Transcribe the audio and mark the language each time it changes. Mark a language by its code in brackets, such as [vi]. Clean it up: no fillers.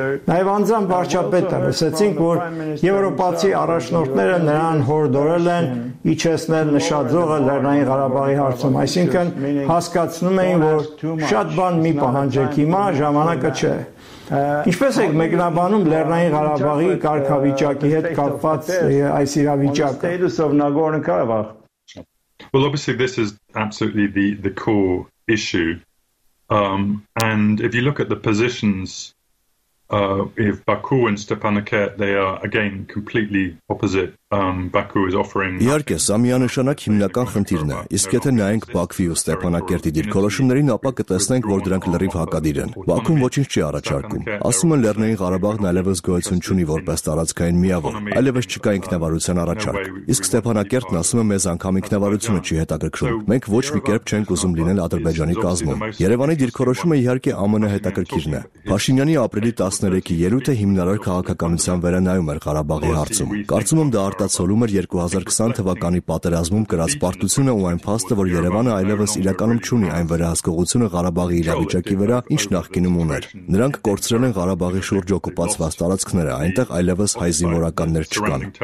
[hy] Նաև անձամբ վարչապետը լսեցինք, որ եվրոպացի առաջնորդները նրան հորդորել են իջեցնել նշաձողը Լեռնային Ղարաբաղի հարցում, այսինքն հասկացնում էին, որ շատ բան մի պահանջեք, հիմա ժամանակը չէ։ Ինչպես եք մեկնաբանում Լեռնային Ղարաբաղի կարգավիճակի հետ կապված այս իրավիճակը։ [en] Well, obviously this is absolutely the core issue. And if you look at the positions if Baku and Stepanakert, they are again completely opposite. Baku is offering [hy] Իհարկե, սա միանշանակ հիմնական խնդիրն է, իսկ եթե նայենք Բաքվի ու Ստեփանակերտի դիրքորոշումներին, ապա կտեսնենք, որ դրանք լրիվ հակադիր են։ Բաքուն ոչինչ չի առաջարկում։ Ասում են, Լեռնային Ղարաբաղն այլևս գոյություն չունի որպես տարածքային միավոր, այլևս չկա ինքնավարության առաջարկ։ Իսկ Ստեփանակերտն ասում է, մեզ անգամ ինքնավարությունը չի հետաքրքրում։ Մենք ոչ մի կերպ չենք ուզում լինել Ադրբեջանի կազմում։ Երևանի դիրքորոշումը իհարկե ամենահետաքրքիրն է։ Փաշինյանի ապրիլի 13-ի ելույթը հիմնարար քաղաքականության վերանայում էր Ղարաբաղի հարցում։ Կարծում եմ, արտացոլում էր 2020 թվականի պատերազմում կրած պարտությունը ու այն փաստը, որ Երևանը այլևս իրականում չունի այն վերահսկողությունը Ղարաբաղի իրավիճակի վրա, ինչ նախկինում ուներ։ Նրանք կորցրել են Ղարաբաղի շուրջ օկուպացված տարածքները, այնտեղ այլևս հայ զինվորականներ չկան։